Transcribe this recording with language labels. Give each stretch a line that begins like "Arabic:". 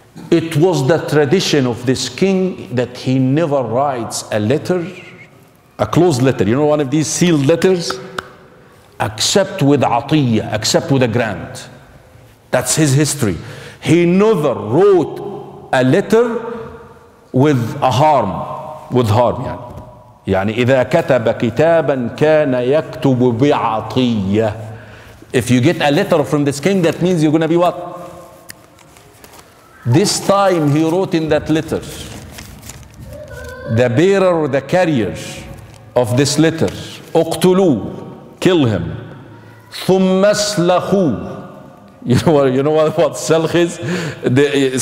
English: It was the tradition of this king that he never writes a letter A closed letter. You know one of these sealed letters? Accept with atiyah, accept with a grant. That's his history. He never wrote a letter with a harm. With harm, yani.
Arabic: يعني إذا كتب كتابا كان يكتب بعطية.
English: If you get a letter from this king, that means you're gonna be what? This time he wrote in that letter, the bearer or the carrier of this letter,
Arabic: اقتلوا,
English: kill him.
Arabic: ثم اسلخوا.
English: You know what سلخ is?